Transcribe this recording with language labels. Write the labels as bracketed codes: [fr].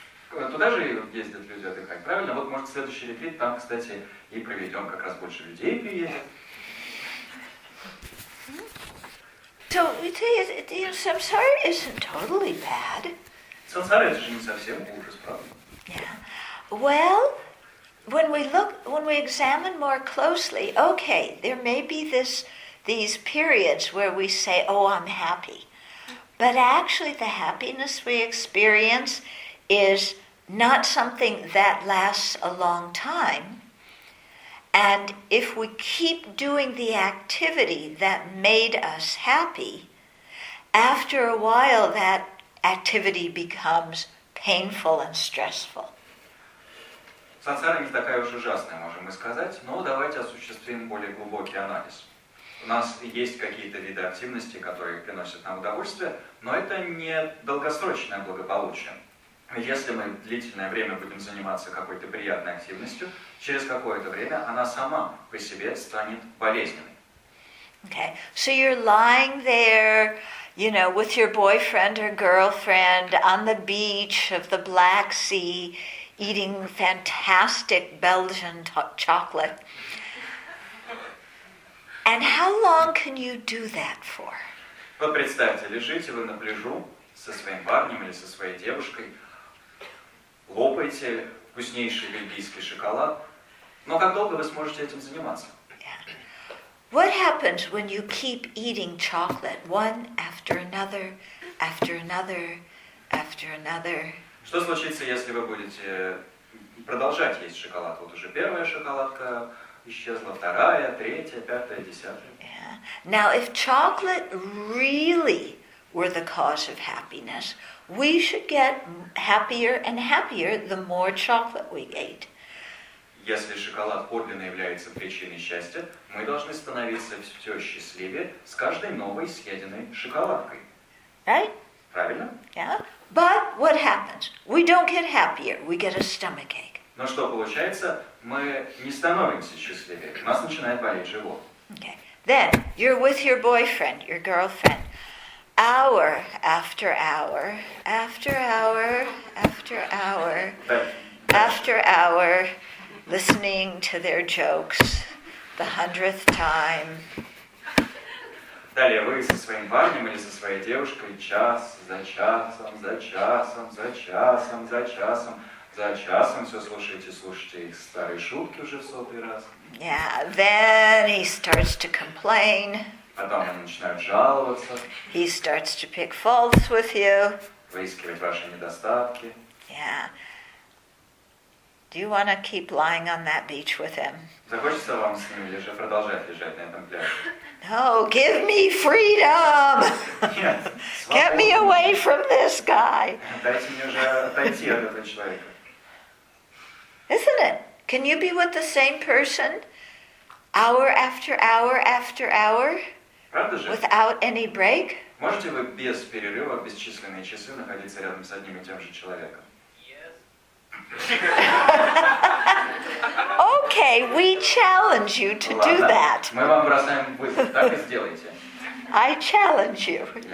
[ru] Туда же ездят люди отдыхать, правильно? Вот, может, следующий ретрит там, кстати, и проведем, как раз больше людей приедет. [en] Сансара isn't totally bad. [ru] Сансара — это же не совсем ужас, правда? [en] Yeah. Well... when we examine more closely, okay, there may be these periods where we say, oh, I'm happy. But actually the happiness we experience is not something that lasts a long time. And if we keep doing the activity that made us happy, after a while that activity becomes painful and stressful. [ru] Сансара не такая уж ужасная, можем мы сказать, но давайте осуществим более глубокий анализ. У нас есть какие-то виды активности, которые приносят нам удовольствие, но это не долгосрочное благополучие. Если мы длительное время будем заниматься какой-то приятной активностью, через какое-то время она сама по себе станет болезненной. [en] Okay, so you're lying there, you know, with your boyfriend or girlfriend on the beach of the Black Sea, eating fantastic Belgian chocolate. And how long can you do that for? [ru] Вот представьте, лежите вы на пляжу со своим парнем или со своей девушкой, лопаете вкуснейший бельгийский шоколад, но как долго вы сможете этим заниматься? [en] What happens when you keep eating chocolate one after another, after another, after another? [ru] Что случится, если вы будете продолжать есть шоколад? Вот уже первая шоколадка исчезла, вторая, третья, пятая, десятая. [en] Yeah. Now, if chocolate really were the cause of happiness, we should get happier and happier the more chocolate we ate. [ru] Если шоколад подлинно является причиной счастья, мы должны становиться все счастливее с каждой новой съеденной шоколадкой. [en] Right? [ru] Правильно? [en] Yeah. But what happens? We don't get happier, we get a stomachache. [ru] Но что получается? Мы не становимся счастливее, у нас начинает болеть живот. [en] Okay. Then, you're with your boyfriend, your girlfriend. hour after hour, after hour, after hour, after hour, listening to their jokes the 100th time. [ru] Далее вы со своим парнем или со своей девушкой час за часом, за часом, за часом, за часом, за часом все слушаете, слушаете их старые шутки уже в сотый раз. [en] Yeah, then he starts to complain. [ru] Потом он начинает жаловаться. [en] He starts to pick faults with you. [ru] Выискивает ваши недостатки. [en] Yeah. Do you want to keep lying on that beach with him? [ru] Захочется вам с ним лежать, продолжать лежать на этом пляже? [en] No, give me freedom! Get me away from this guy! [ru] Дайте мне уже отойти от этого человека. [en] Isn't it? Can you be with the same person hour after hour after hour? [ru] Правда же? [en] Without any break? [ru] Можете вы без перерыва, бесчисленные часы находиться рядом с одним и тем же человеком? [en] Okay, we challenge you to do that. [ru] Мы вам бросаем вызов, так и сделайте. [en] I challenge you.